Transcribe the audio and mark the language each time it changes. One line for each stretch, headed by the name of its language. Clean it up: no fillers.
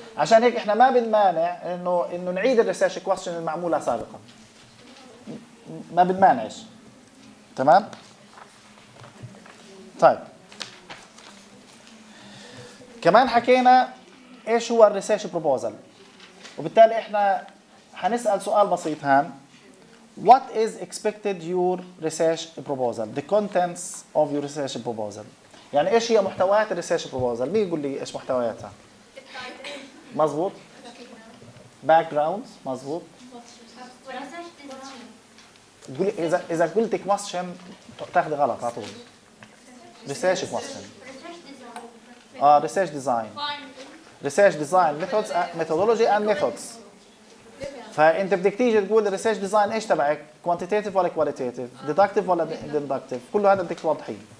Arabic: عشان هيك احنا ما بنمانع انه نعيد الريسيرش كويستشن المعموله سابقا، ما بنمانعش. تمام، طيب كمان حكينا ايش هو الريسيرش بروبوزل، وبالتالي احنا حنسال سؤال بسيط هان.
English: What is expected your research proposal? The contents of your research proposal.
Arabic: يعني ايش هي محتويات الريسيرش بروبوزل؟ مين يقول لي ايش محتوياتها؟ مظبوط.
English: Background.
Arabic: مظبوط. تقولي اذا قلت question تاخذ غلط على طول.
English: Research question. Research design. Research design methods methodology and methods.
Arabic: فانت بدك تيجي تقول الريسيرش ديزاين ايش تبعك، كوانتيتيف ولا كواليتيتيف، ديدكتيف ولا ديدكتيف، كل هذا بدك توضحيه.